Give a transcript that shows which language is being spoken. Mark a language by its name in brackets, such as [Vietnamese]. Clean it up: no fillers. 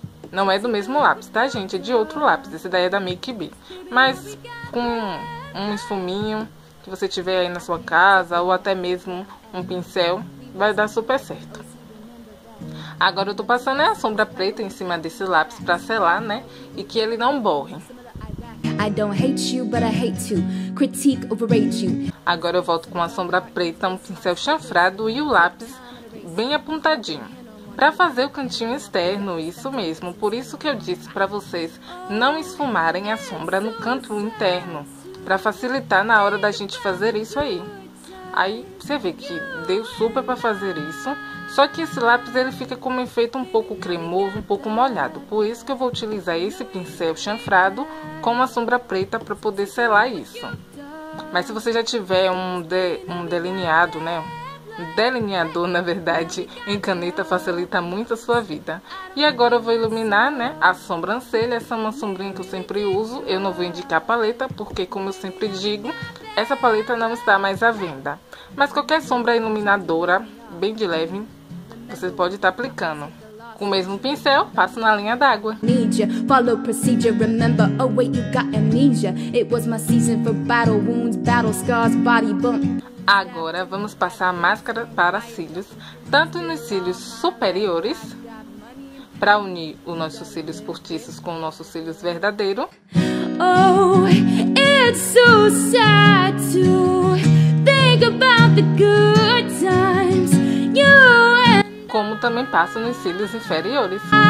[Portuguese] Não é do mesmo lápis, tá, gente? É de outro lápis, esse daí é da Make B. Mas com um esfuminho que você tiver aí na sua casa, ou até mesmo um pincel, vai dar super certo. Agora eu tô passando a sombra preta em cima desse lápis pra selar, né, e que ele não borre. [English] I don't hate you, but I hate to critique, overrate you. [Portuguese] Agora eu volto com a sombra preta, um pincel chanfrado e o lápis bem apontadinho. Pra fazer o cantinho externo, isso mesmo. Por isso que eu disse pra vocês não esfumarem a sombra no canto interno. Pra facilitar na hora da gente fazer isso aí. Aí você vê que deu super pra fazer isso. Só que esse lápis ele fica com um efeito um pouco cremoso, um pouco molhado. Por isso que eu vou utilizar esse pincel chanfrado com uma sombra preta para poder selar isso. Mas se você já tiver um delineado, né, delineador, na verdade, em caneta facilita muito a sua vida. E agora eu vou iluminar, né, a sobrancelha. Essa é uma sombrinha que eu sempre uso. Eu não vou indicar a paleta, porque como eu sempre digo, essa paleta não está mais à venda. Mas qualquer sombra iluminadora, bem de leve, você pode estar aplicando. Com o mesmo pincel, passo na linha d'água. [English] Follow procedure, remember, oh wait, you got amnesia. It was my season for battle wounds, battle scars, body bump. [Portuguese] Agora vamos passar a máscara para cílios, tanto nos cílios superiores, para unir os nossos cílios postiços com os nossos cílios verdadeiros. [English] Oh, it's so sad to think about the good times you and... [Portuguese] Como também passo nos cílios inferiores.